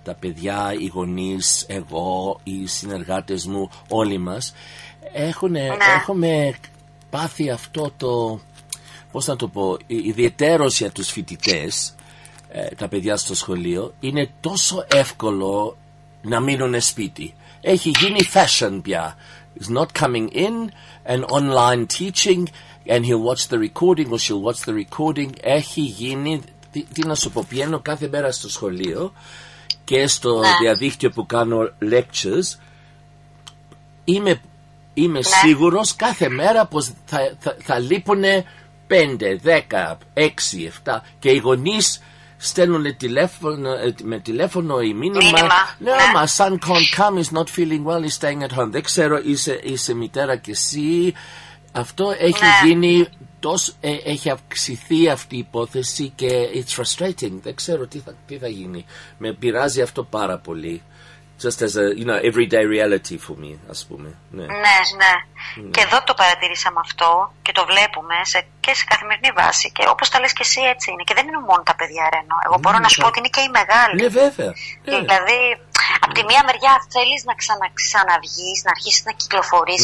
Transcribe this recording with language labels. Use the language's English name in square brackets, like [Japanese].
[Greek] Τα παιδιά, οι γονείς, εγώ, οι συνεργάτες μου, όλοι μας, έχουμε πάθει αυτό το, πώς να το πω, ιδιαιτέρως για τους φοιτητές, τα παιδιά στο σχολείο, είναι τόσο εύκολο να μείνουν σπίτι. Έχει γίνει fashion πια. [English] Is not coming in, and online teaching, and he'll watch the recording, or she'll watch the recording. [Greek] Έχει γίνει, τι να σου πω, πιένω κάθε μέρα στο σχολείο και στο διαδίκτυο που κάνω lectures. Είμαι σίγουρος κάθε μέρα πως θα λείπουνε 5, 10, 6, 7 και οι γονείς στέλνουν με τηλέφωνο ή μήνυμα. Μήνυμα. [English] No, my son can't come, he's not feeling well, he's staying at home. [Greek] Δεν ξέρω, είσαι μητέρα κι εσύ. Αυτό έχει γίνει, έχει αυξηθεί αυτή η υπόθεση και [English] it's frustrating. [Greek] Δεν ξέρω τι θα γίνει. Με πειράζει αυτό πάρα πολύ. [English] Just as a, you know, everyday reality for me, [Greek] ας πούμε. Ναι. Και εδώ το παρατηρήσαμε αυτό και το βλέπουμε και σε καθημερινή βάση. Και όπως τα λες και εσύ, έτσι είναι. Και δεν είναι μόνο τα παιδιά, Ρένο. Εγώ μπορώ να σου πω ότι είναι και οι μεγάλοι. Ναι, βέβαια. Δηλαδή, από τη μία μεριά θέλεις να ξαναβγεις, να αρχίσεις να κυκλοφορείς.